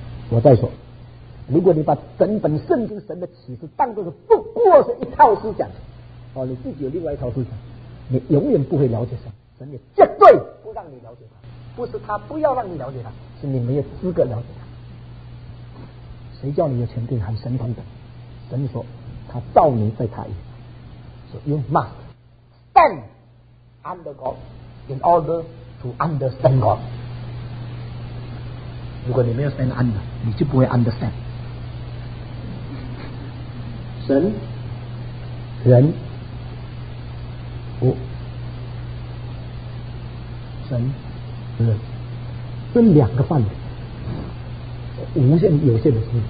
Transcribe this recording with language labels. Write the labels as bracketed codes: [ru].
[zh] 我再说，如果你把整本圣经神的启示当作是不过是一套思想，哦，你自己有另外一套思想，你永远不会了解神，神也绝对不让你了解他。不是他不要让你了解他，是你没有资格了解他。谁叫你有权柄喊神等等？ [en] 神说他造你在他以上，所以 you must stand under God in order to understand God。 [zh] 如果你没有 stand under，你就不会 understand 神人。神人这两个范围，无限有限的事。